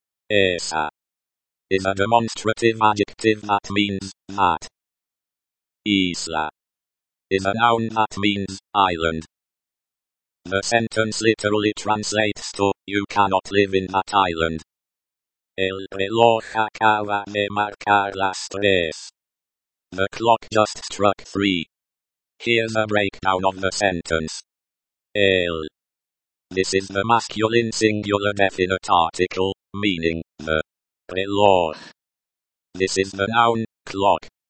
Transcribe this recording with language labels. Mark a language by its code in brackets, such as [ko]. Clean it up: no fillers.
[en] Esa, is a demonstrative adjective that means, that, isla, is a noun that means island. The sentence literally translates to, you cannot live in that island. [es] El reloj acaba de marcar las tres. [en] The clock just struck three. Here's a breakdown of the sentence. [es] El. [en] This is the masculine singular definite article, meaning the [es] reloj. [en] This is the noun, clock.